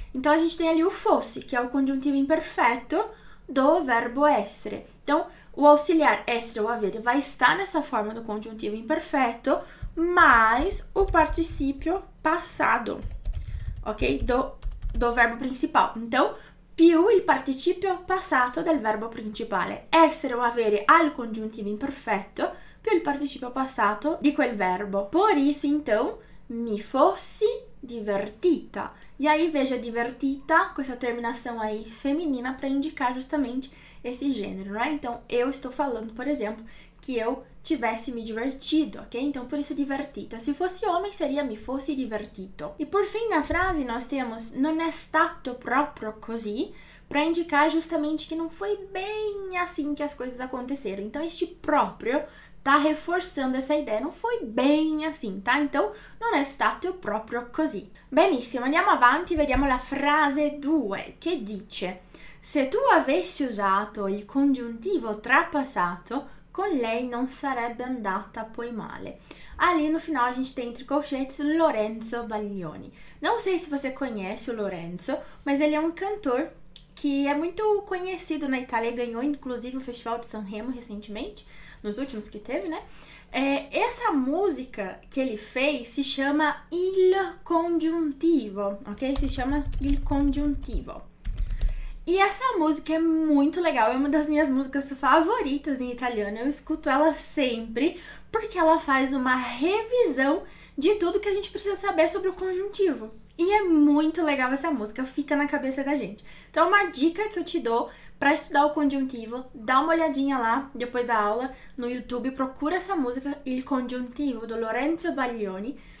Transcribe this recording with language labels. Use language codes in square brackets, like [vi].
[pt] Então a gente tem ali o fosse, que é o conjuntivo imperfeito do verbo essere. Então, o auxiliar essere ou avere vai estar nessa forma do conjuntivo imperfeito, mais o particípio passado, ok? Do verbo principal. [it] Então, più il participio passato del verbo principale. Essere ou avere al conjuntivo imperfeito, più il participio passato di quel verbo. [pt] Por isso, então, [it] mi fossi divertita. [pt] E aí, veja, divertita, com essa terminação aí feminina para indicar justamente esse gênero, não é? Então, eu estou falando, por exemplo, que eu tivesse me divertido, ok? Então, por isso, divertita. Se fosse homem, seria [it] mi fossi divertito. [pt] E por fim, na frase, nós temos [it] non è stato proprio così, [pt] para indicar justamente que não foi bem assim que as coisas aconteceram. Então, este proprio tá reforçando essa ideia, não foi bem assim, tá? [it] Então, non è stato proprio così. Benissimo, andiamo avanti, vediamo la frase 2, che dice: se tu avessi usato il congiuntivo trapassato, Con lei non sarebbe andata poi male. [pt] Ali no final a gente tem entre colchetes Lorenzo Baglioni. Não sei se você conhece o Lorenzo, mas ele é um cantor que é muito conhecido na Itália, ganhou inclusive o Festival de Sanremo recentemente, nos últimos que teve, né? É, essa música que ele fez se chama Il Congiuntivo, ok? Se chama Il Congiuntivo. E essa música é muito legal, é uma das minhas músicas favoritas em italiano. Eu escuto ela sempre porque ela faz uma revisão de tudo que a gente precisa saber sobre o conjuntivo. E é muito legal essa música, fica na cabeça da gente. Então, uma dica que eu te dou para estudar o conjuntivo, dá uma olhadinha lá depois da aula no YouTube, procura essa música, Il Congiuntivo, do Lorenzo Baglioni.